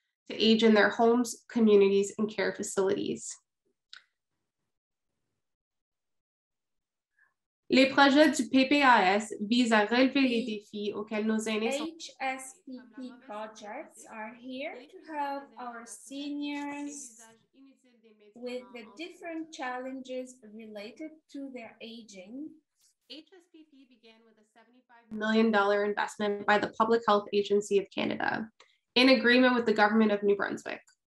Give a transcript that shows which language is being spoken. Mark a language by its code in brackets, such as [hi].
[en] to age in their homes, communities, and care facilities. [fr] Les projets du PPAS visent à relever les défis auxquels nos aînés sont. [en] HSPP projects are here to help our seniors with the different challenges related to their aging. HSPP began with a $75 million investment by the Public Health Agency of Canada in agreement with the government of New Brunswick.